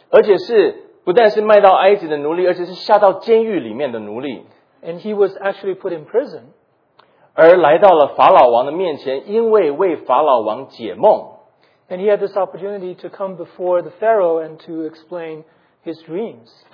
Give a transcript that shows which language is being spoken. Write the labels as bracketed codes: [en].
[zh] 而且是不但是卖到埃及的奴隶， 而且是下到监狱里面的奴隶。 [en] And he was actually put in prison. [zh] 而来到了法老王的面前， 因为为法老王解梦。 [en] And he had this opportunity to come before the Pharaoh and to explain his dreams.